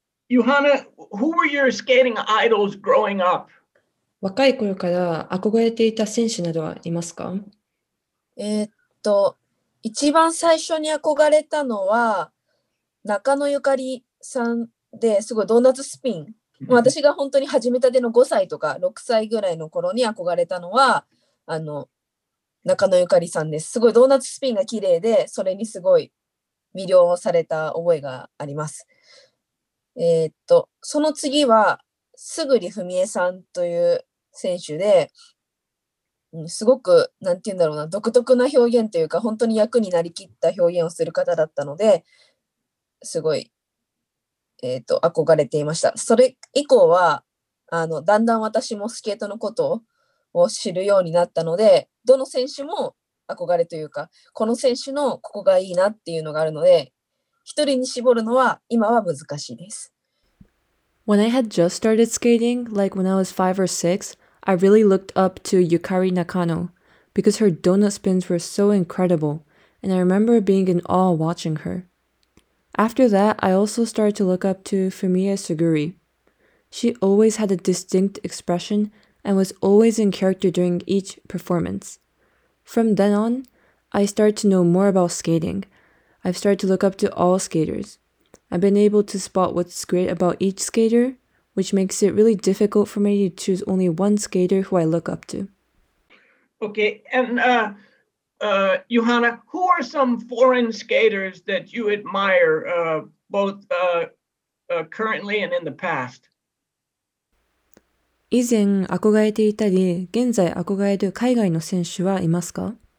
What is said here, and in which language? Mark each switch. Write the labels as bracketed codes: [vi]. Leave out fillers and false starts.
[en] Yuhana, who were your skating idols growing up? [ja] 若い頃から憧れていた選手などはいますか？一番最初に憧れたのは中野ゆかりさんで、すごいドーナツスピン。私が本当に始めたての5歳とか6歳ぐらいの頃に憧れたのは中野ゆかりさんです。すごいドーナツスピンが綺麗で、それにすごい魅了された覚えがあります。その次は、すぐりふみえさんという選手で、すごく、なんて言うんだろうな、独特な表現というか、本当に役になりきった表現をする方だったので、すごい、憧れていました。それ以降は、だんだん私もスケートのことを知るようになったので、どの選手も憧れというか、この選手のここがいいなっていうのがあるので、 [en] When I had just started skating, like when I was 5 or 6, I really looked up to Yukari Nakano because her donut spins were so incredible, and I remember being in awe watching her. After that, I also started to look up to Fumie Suguri. She always had a distinct expression and was always in character during each performance. From then on, I started to know more about skating. I've started to look up to all skaters. I've been able to spot what's great about each skater, which makes it really difficult for me to choose only one skater who I look up to. Okay, and Yuhana, who are some foreign skaters that you admire, both currently and in the past? [ja] 以前憧れていたり、現在憧れる海外の選手はいますか？